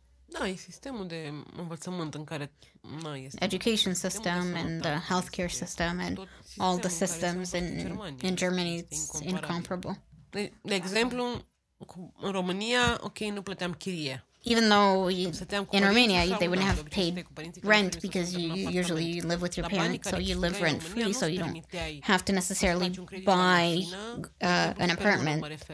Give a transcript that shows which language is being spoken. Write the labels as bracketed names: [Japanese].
[Romanian] Da, e sistemul de învățământ în care na, este [English] education system and the healthcare system and all the systems in Germany, it's incomparable. [Romanian] De exemplu, în România, ok, nu plăteam chirie. [English] Even though in Romania they wouldn't have paid rent, because you usually live with your parents, so you live rent free, so you don't have to necessarily buy an apartment.